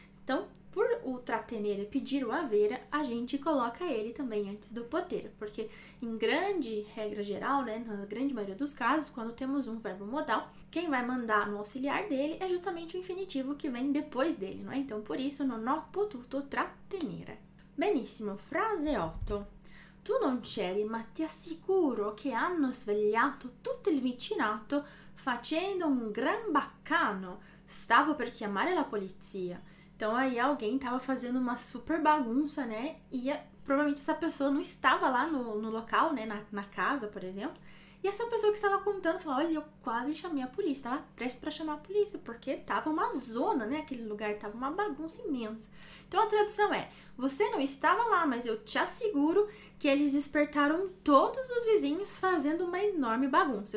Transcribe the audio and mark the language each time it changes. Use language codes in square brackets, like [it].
[pt] Então, por o trattenere pedir o avere, a gente coloca ele também antes do potere, porque em grande regra geral, né, na grande maioria dos casos, quando temos um verbo modal, quem vai mandar no auxiliar dele é justamente o infinitivo que vem depois dele, não é? [it] Então, por isso, non ho potuto trattenere. Benissimo, frase 8. Tu non c'eri, ma ti assicuro che hanno svegliato tutto il vicinato facendo un gran baccano. Stavo per chiamare la polizia. [pt] Então, aí alguém estava fazendo uma super bagunça, né? E provavelmente essa pessoa não estava lá no local, né? Na casa, por exemplo. E essa pessoa que estava contando, falou, olha, eu quase chamei a polícia. Estava prestes para chamar a polícia, porque estava uma zona, né? Aquele lugar estava uma bagunça imensa. Então, a tradução é, você não estava lá, mas eu te asseguro que eles despertaram todos os vizinhos fazendo uma enorme bagunça.